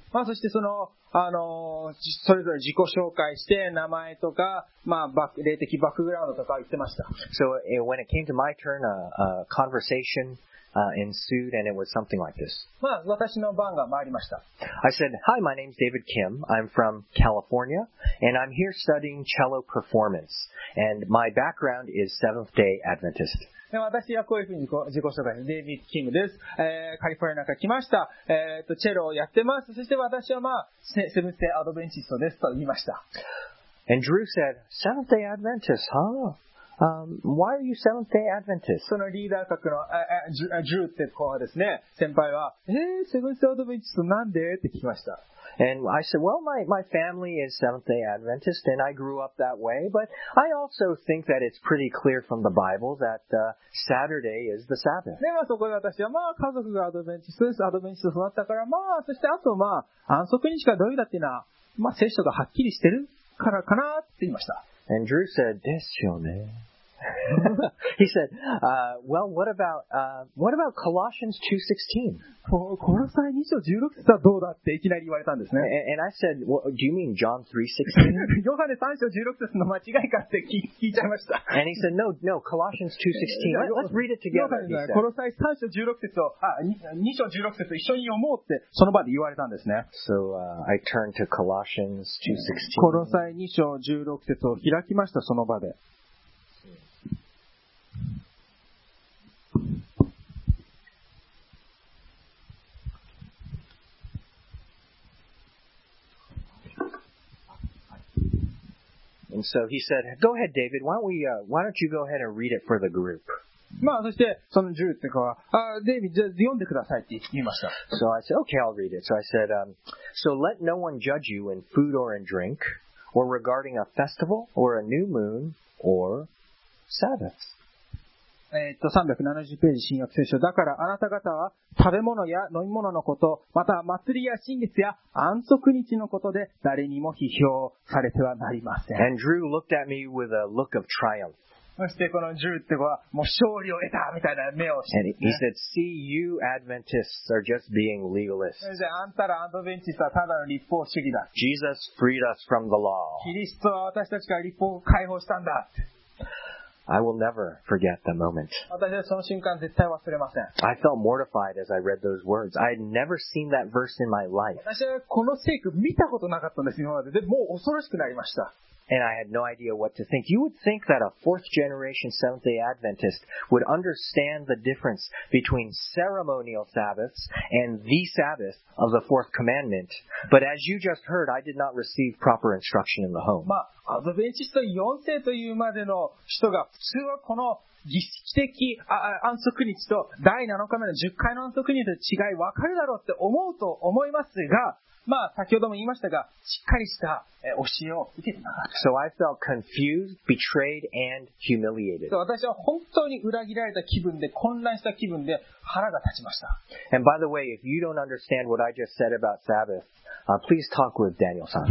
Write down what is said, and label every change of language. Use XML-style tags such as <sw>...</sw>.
<ja>まあ、そしてその、それぞれ自己紹介して、名前とか、まあ、霊的バックグラウンドとか言ってました。</ja> <en>So, when it came to my turn, a conversation ensued, and it was something like this.</en> <ja>まあ、私の番が回りました。</ja> <en>I said, Hi, my name's David Kim. I'm from California, and I'm here studying cello performance. And my background is Seventh-day Adventist.</en> <ja>で私はこういうふうに自己紹介して、デイビッド・キングです。カリフォルニアから来ました。チェロをやってます。そして私はまあ、Seventh-day Adventist ですと言いました。</ja> <en>And Drew said, Seventh-day Adventist, huh? Why are you Seventh-day Adventist?</en> <ja>そのリーダー格の、ジューってこうですね、先輩は、Seventh-day Adventist なんでって聞きました。</ja> <en>And I said, well, my family is Seventh-day Adventist, and I grew up that way, but I also think that it's pretty clear from the Bible that, Saturday is the Sabbath.</en> <ja>で、まあ、そこで私は、まあ、家族がアドベンチストです。アドベンチスト育ったから、まあ、そしてあと、まあ、安息日が土曜日だっていうのは、まあ、聖書がはっきりしてるからかなって言いました。</ja> <en>And Drew said,</en> <ja>ですよね。</ja> <en>He said, well, what about Colossians 2:16?</en> <ja>コロサイ2章16節はどうだっていきなり言われたんですね。</ja> <en>And I said, well, do you mean John 3:16?</en> <ja>ヨハネ3章16節の間違いかって聞いちゃいました。</ja> <en>And he said, no, Colossians 2:16. Let's read it together.</en> <ja>ヨハネはコロサイ3章16節を、2章16節を一緒に読もうってその場で言われたんですね。</ja> <en>So, I turned to Colossians 2:16.</en> <ja>コロサイ2章16節を開きましたその場で。</ja> <en>And so he said, "Go ahead, David. Why don't you go ahead and read it for the group?"</en> <ja>まあ、そしてそのジューって子は、デイビッド、読んでくださいって言いました。</ja> <en>So I said, "Okay, I'll read it." So I said, "So let no one judge you in food or in drink, or regarding a festival or a new moon or Sabbath."</en> <ja>370ページ新約聖書。だからあなた方は食べ物や飲み物のこと、また祭りや新月や安息日のことで誰にも批評されてはなりません。</ja> <en>And Drew looked at me with a look of triumph.</en> <ja>そしてこのジューって子はもう勝利を得たみたいな目をして、</ja> <en>ね。And he said, "See, you Adventists are just being legalists."</en> <ja>あんたらアドベンチストはただの立法主義だ。</ja> <en>Jesus freed us from the law.</en> <ja>キリストは私たちから立法を解放したんだ。</ja> <en>I will never forget that moment.</en> <ja>私はその瞬間絶対忘れません。</ja> <en>I felt mortified as I read those words. I had never seen that verse in my life.</en> <ja>私はこの聖句見たことなかったんです、今まで。でもう恐ろしくなりました。</ja> <en>And I had no idea what to think. You would think that a fourth generation Seventh-day Adventist would understand the difference between ceremonial Sabbaths and the Sabbath of the fourth commandment. But as you just heard, I did not receive proper instruction in the home.</en> <ja>まあ、アドベンチスト4世というまでの人が普通はこの儀式的安息日と第7日目の10回の安息日と違い分かるだろうって思うと思いますが、まあ、先ほども言いましたが、しっかりした教えを受けてなかった。</ja> <en>So I felt confused, betrayed, and humiliated.</en> <ja>私は本当に裏切られた気分で、混乱した気分で腹が立ちました。</ja> <en>And by the way, if you don't understand what I just said about Sabbath, please talk with Daniel さん。</en>